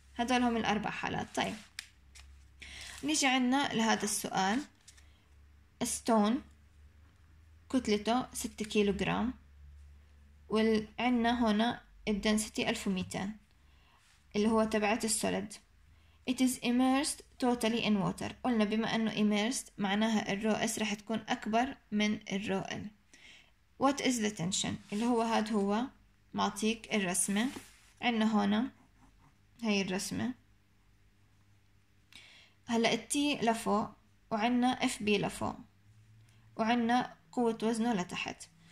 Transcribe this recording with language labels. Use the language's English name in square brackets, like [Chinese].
[Arabic] هدول هم الأربع حالات. طيب نيجي عنا لهذا السؤال، ستون كتلته 6 كيلو جرام، وعنا هنا الدنسيتي 1200 اللي هو تبعت السوليد. [English] It is immersed totally in water. [Arabic] قلنا بما أنه immersed معناها الرو اس رح تكون أكبر من الرو ال. [English] What is the tension؟ [Arabic] اللي هو هاد هو معطيك الرسمة، عنا هنا هاي الرسمة، هلأ التي لفوق وعنا اف بي لفوق وعنا قوة وزنه لتحت.